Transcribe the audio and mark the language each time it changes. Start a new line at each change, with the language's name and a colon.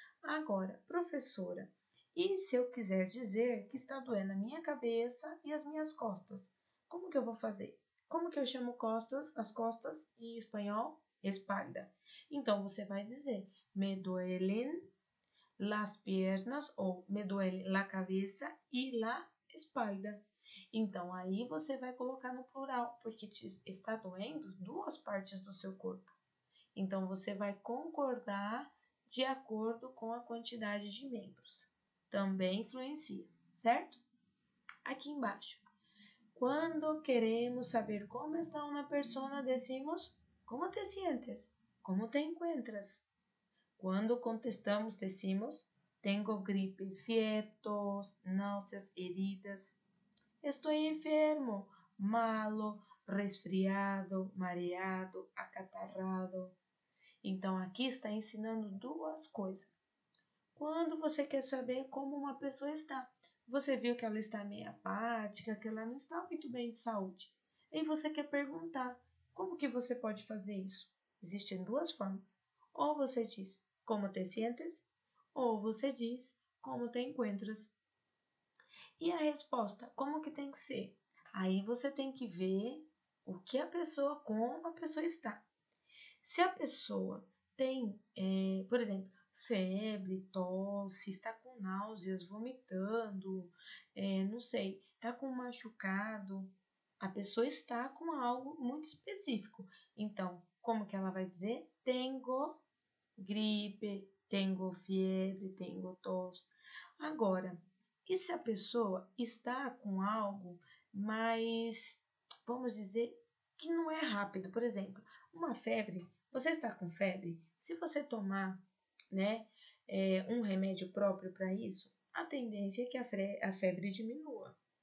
Portuguese: Agora, professora, e se eu quiser dizer que está doendo a minha cabeça e as minhas costas? Como que eu vou fazer? Como que eu chamo costas, as costas em espanhol? Espalda. Então, você vai dizer,
Spanish: me duelen las piernas,
Portuguese: ou
Spanish: me duele la cabeza y la espalda.
Portuguese: Então, aí você vai colocar no plural, porque te está doendo duas partes do seu corpo. Então, você vai concordar de acordo com a quantidade de membros. Também influencia, certo? Aqui embaixo. Quando queremos saber como está uma pessoa,
Spanish: decimos: como te sientes? Como te encuentras? Quando contestamos, decimos: tengo gripe, fietos, náuseas, heridas. Estoy enfermo, malo, resfriado, mareado, acatarrado.
Portuguese: Então, aqui está ensinando duas coisas. Quando você quer saber como uma pessoa está, você viu que ela está meio apática, que ela não está muito bem de saúde. E você quer perguntar, como que você pode fazer isso? Existem duas formas. Ou você diz,
Spanish: como te sientes?
Portuguese: Ou você diz,
Spanish: como te encuentras?
Portuguese: E a resposta, como que tem que ser? Aí você tem que ver o que a pessoa, como a pessoa está. Se a pessoa tem, por exemplo, febre, tosse, está com náuseas, vomitando, não sei, está com machucado, a pessoa está com algo muito específico. Então, como que ela vai dizer?
Spanish: Tengo gripe, tengo febre, tengo tosse.
Portuguese: Agora, e se a pessoa está com algo mais, vamos dizer, que não é rápido? Por exemplo, uma febre, você está com febre? Se você tomar, né, um remédio próprio para isso, a tendência é que a febre diminua.